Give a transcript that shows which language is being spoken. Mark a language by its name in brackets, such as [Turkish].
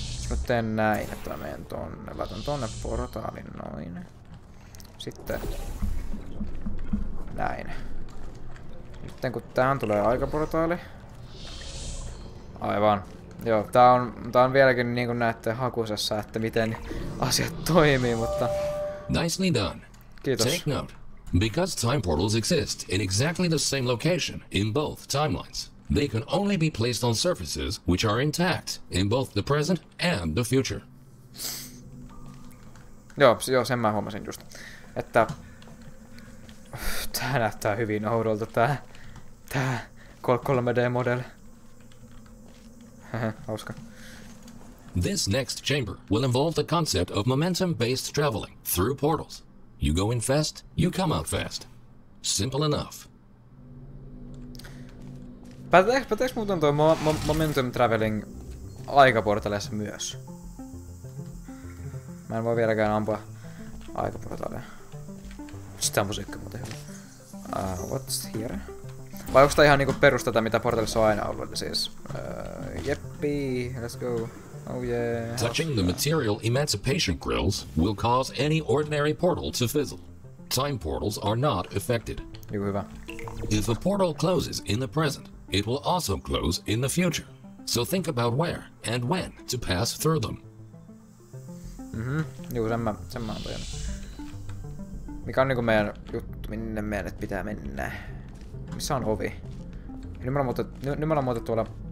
[Finnish] Mä teen näin, että mä menen tonne. Laitan tonne portaalin noin. Sitten... Näin. Sitten kun tähän tulee aikaportaali... Aivan. Joo, tää on vieläkin niinku näette hakusessa, että miten asiat toimii, mutta... [English] Nicely done. [Finnish] Kiitos. [English] Take note. Because time portals exist in exactly the same location in both timelines, they can only be placed on surfaces which are intact in both the present and the future. [Finnish] Joo, sen mä huomasin just. Että... Tää näyttää hyvin oudolta, tää 3D-modeli. Hauska. [English] This next chamber will involve the concept of momentum-based traveling through portals. You go in fast, you come out fast. Simple enough. [Finnish] Päteeks muuten toi momentum traveling aikaportaleissa myös? Mä en voi vieläkään ampua aikaportaleja. Sitä on musiikki muuten hyvä. [English] What's here? [Finnish] Vai onks tää ihan niinku perus tätä, mitä portaalissa on aina ollut, siis... [English] Jeppi, let's go. Oh yeah. Touching the material emancipation grills will cause any ordinary portal to fizzle. Time portals are not affected. [Finnish] Joku hyvä. [English] If a portal closes in the present, it will also close in the future. So think about where and when to pass through them. [Finnish] Joku sen mä oon tajunnut. Mikä on niinku meidän juttu, minne meidän pitää mennä? Missä on ovi? Nyt me ollaan muuten tuolla...